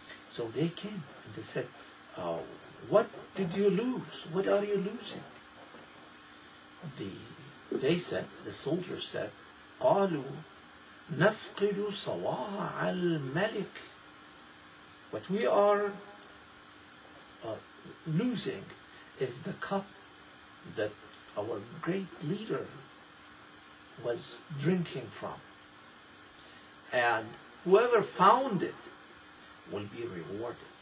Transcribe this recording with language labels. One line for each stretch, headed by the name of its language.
English: So they came and they said, what did you lose? What are you losing? The soldiers said,
Arabic: قَالُوا نَفْقِدُ صَوَاعَ الْمَلِكِ.
English: What we are losing is the cup that our great leader was drinking from. And whoever found it will be rewarded.